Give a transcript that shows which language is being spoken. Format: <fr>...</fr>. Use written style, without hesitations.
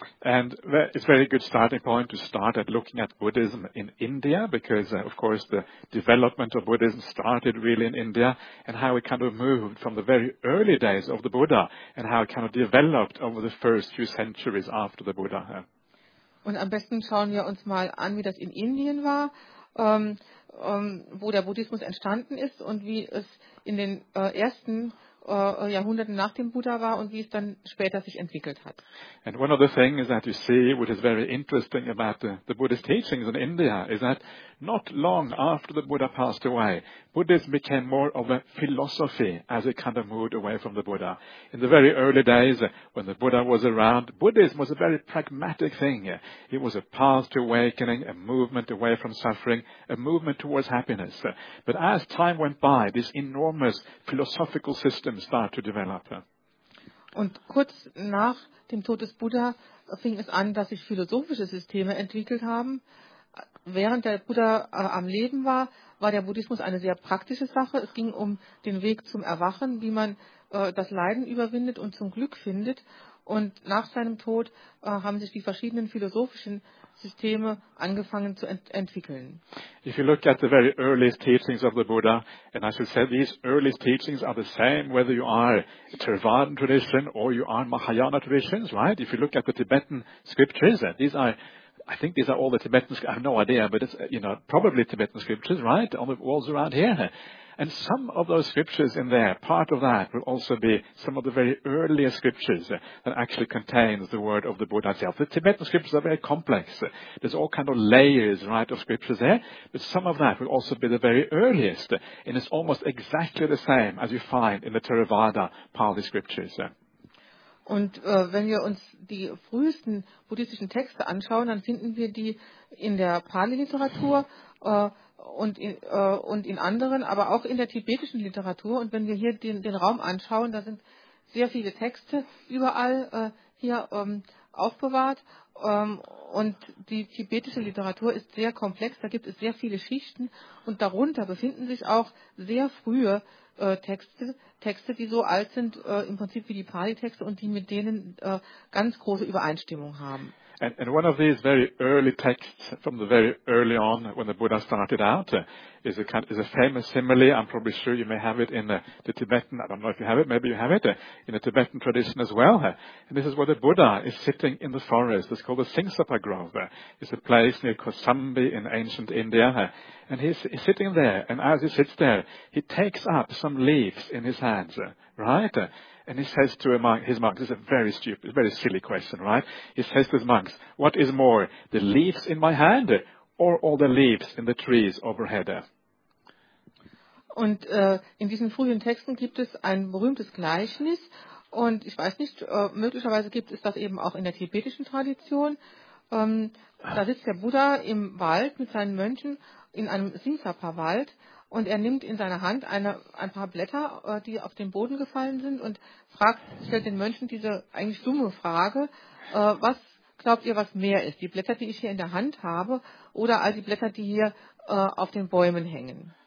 <en>And it's a very good starting point to start at looking at Buddhism in India, because of course the development of Buddhism started really in India, and how it kind of moved from the very early days of the Buddha and how it kind of developed over the first few centuries after the Buddha.</en> <de>Und am besten schauen wir uns mal an, wie das in Indien war, wo der Buddhismus entstanden ist und wie es in den ersten Jahrhunderten nach dem Buddha war und wie es dann später sich entwickelt hat.</de> <en>And one other thing is that you see, which is very interesting about the Buddhist teachings in India, is that not long after the Buddha passed away, Buddhism became more of a philosophy as it kind of moved away from the Buddha. In the very early days, when the Buddha was around, Buddhism was a very pragmatic thing. It was a path to awakening, a movement away from suffering, a movement towards happiness. But as time went by, this enormous philosophical system started to develop.</en> <de>Und kurz nach dem Tod des Buddha fing es an, dass sich philosophische Systeme entwickelt haben. Während der Buddha am Leben war, war der Buddhismus eine sehr praktische Sache. Es ging um den Weg zum Erwachen, wie man das Leiden überwindet und zum Glück findet. Und nach seinem Tod haben sich die verschiedenen philosophischen Systeme angefangen zu entwickeln.</de> <en>If you look at the very earliest teachings of the Buddha, and I should say these earliest teachings are the same whether you are Theravada tradition or you are Mahayana traditions, right? If you look at the Tibetan scriptures, these are, I think these are all the Tibetan, I have no idea, but it's, you know, probably Tibetan scriptures, right? On the walls around here. And some of those scriptures in there, part of that will also be some of the very earliest scriptures that actually contains the word of the Buddha itself. The Tibetan scriptures are very complex. There's all kind of layers, right, of scriptures there. But some of that will also be the very earliest. And it's almost exactly the same as you find in the Theravada Pali scriptures.</en> <de>Und wenn wir uns die frühesten buddhistischen Texte anschauen, dann finden wir die in der Pali-Literatur und in anderen, aber auch in der tibetischen Literatur. Und wenn wir hier den Raum anschauen, da sind sehr viele Texte überall aufbewahrt. Und die tibetische Literatur ist sehr komplex, da gibt es sehr viele Schichten. Und darunter befinden sich auch sehr frühe Texte, die so alt sind, im Prinzip wie die Pali-Texte und die mit denen ganz große Übereinstimmung haben.</de> <en>And one of these very early texts from the very early on when the Buddha started out is a famous simile. I'm probably sure you may have it in the Tibetan. I don't know if you have it. Maybe you have it in the Tibetan tradition as well. And this is where the Buddha is sitting in the forest. It's called the Tsingsapa Grove. It's a place near Kosambi in ancient India. And he's sitting there. And as he sits there, he takes up some leaves in his hands, right? And he says to his monks, it's a very stupid, very silly question, right? He says to his monks, what is more, the leaves in my hand or all the leaves in the trees overhead?</en> <de>Und in diesen frühen Texten gibt es ein berühmtes Gleichnis. Und ich weiß nicht, möglicherweise gibt es das eben auch in der tibetischen Tradition. Da sitzt der Buddha im Wald mit seinen Mönchen in einem Tsingsapa-Wald. Und er nimmt in seiner Hand ein paar Blätter, die auf den Boden gefallen sind und stellt den Mönchen diese eigentlich dumme Frage, was glaubt ihr, was mehr ist, die Blätter, die ich hier in der Hand habe oder all die Blätter, die hier auf den Bäumen hängen?</de>